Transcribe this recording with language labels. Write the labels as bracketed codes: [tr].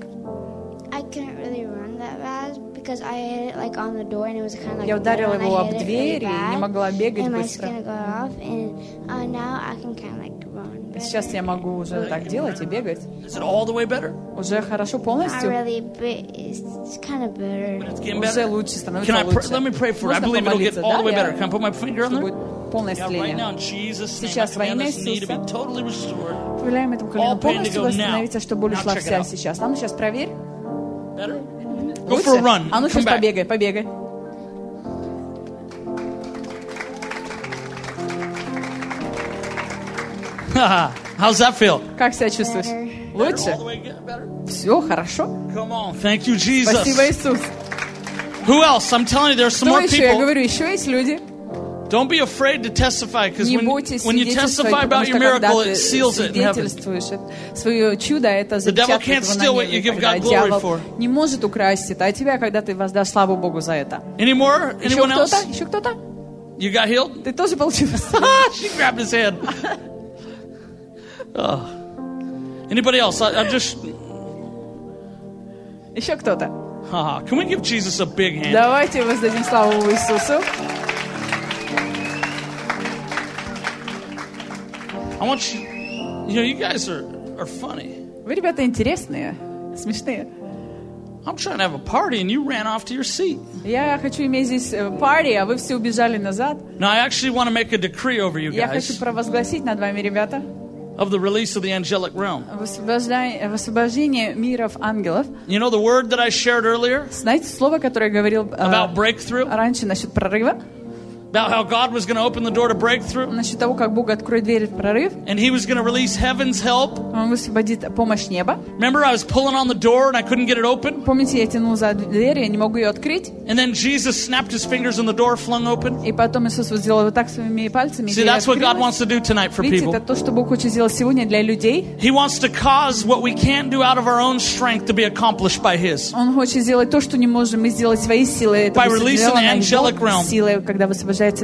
[en] Like, I couldn't really run that fast because because I hit it like on the door and it was kind of like [ru] я ударила его об дверь и не могла бегать быстро. [en] And my skin got off and now I can kind of like run. Better. [ru] Сейчас я могу уже так делать и бегать. [en] Is it all the way better? [ru] Уже хорошо полностью? [en] I really, it's kind of better. [ru] Уже лучше становится. [en] Let me pray for it. I believe it'll get all the way better. Can I put my finger on it? [ru] Полное исцеление. Сейчас во имя Иисуса. Повелеваем этому колену полностью восстановиться, чтобы боль ушла вся сейчас. А ну сейчас проверь. [en] Go for a run. [ru] А ну сейчас побегай, побегай. [en] How's that feel? [ru] Как себя чувствуешь? [en] Better. [ru] Лучше? [en] Better. [ru] Все хорошо? [en] Come on. Thank you, Jesus. [ru] Спасибо, Иисус. [en] Who else? I'm telling you, there are some [ru] Кто [en] more [ru] еще? [en] People. [ru] Я говорю, еще есть люди. [en] Don't be afraid to testify, because when you testify about your miracle, it seals it in heaven. The devil can't steal what you give God glory for. [ru] Не может украсть это от тебя, когда ты воздашь славу Богу за это. [en] Any more? Anyone else? [ru] Еще кто-то? [en] You got healed? [ru] Ты тоже получил. [en] She grabbed his hand. Oh. Anybody else? I just. [ru] Еще кто-то? [en] Can we give Jesus a big hand? [ru] Давайте воздадим славу Иисусу. [en] I want you. You know, you guys are funny. [ru] Вы ребята интересные, смешные. [en] I'm trying to have a party, and you ran off to your seat. [ru] Я хочу иметь здесь party, а вы все убежали назад. [en] Now I actually want to make a decree over you guys. [ru] Я хочу провозгласить над вами, ребята. [en] Of the release of the angelic realm. [ru] Освобождение миров ангелов. [en] You know the word that I shared earlier? [ru] Знаете слово, которое я говорил [en] about breakthrough? [ru] Раньше насчет прорыва. [en] About how God was going to open the door to breakthrough. [ru] Насчет того, как Бог откроет дверь в прорыв. [en] And He was going to release heaven's help. [ru] Он высвободит помощь неба. [en] Remember, I was pulling on the door and I couldn't get it open. [ru] Помните, я тянул за дверь, я не могу ее открыть. [en] And then Jesus snapped His fingers and the door flung open. [ru] И потом Иисус сделал вот так своими пальцами. [en] See, that's what God wants to do tonight for people. [ru] Видите, это то, что Бог хочет сделать сегодня для людей. [en] He wants to cause what we can't do out of our own strength to be accomplished by His. [ru] Он хочет сделать то, что не можем мы сделать своей силой. [en] By releasing the angelic realm. [ru] Силой, когда высвобождается.